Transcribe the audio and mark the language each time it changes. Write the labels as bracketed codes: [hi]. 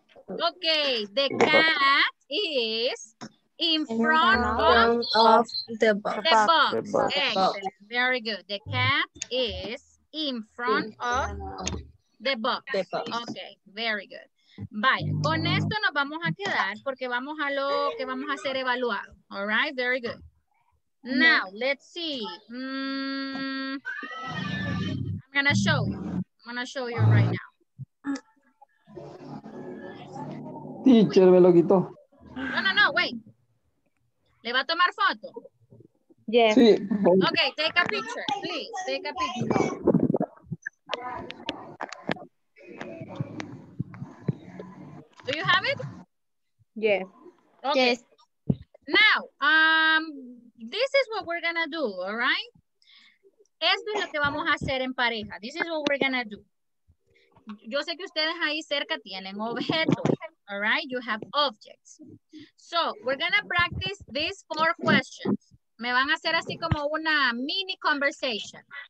[en] Okay, the cat is in front of the box. Excellent. Very good. The cat is in front of the box. Okay, very good. [es] Vaya, con esto nos vamos a quedar porque vamos a lo que vamos a hacer evaluado. [en] All right, very good. Now, let's see. I'm gonna show you right now. [es] Teacher, me lo quitó. [en] No, wait. [es] ¿Le va a tomar foto? [en] Yes. [es] Sí. [en] Ok, take a picture, please. Take a picture. Do you have it? Yes. Okay. Yes. Now, this is what we're gonna do, all right? [es] Esto es lo que vamos a hacer en pareja. [en] This is what we're gonna do. [es] Yo sé que ustedes ahí cerca tienen objetos, [en] all right? You have objects. So, we're gonna practice these four questions. [es] Me van a hacer así como una [en] mini conversation.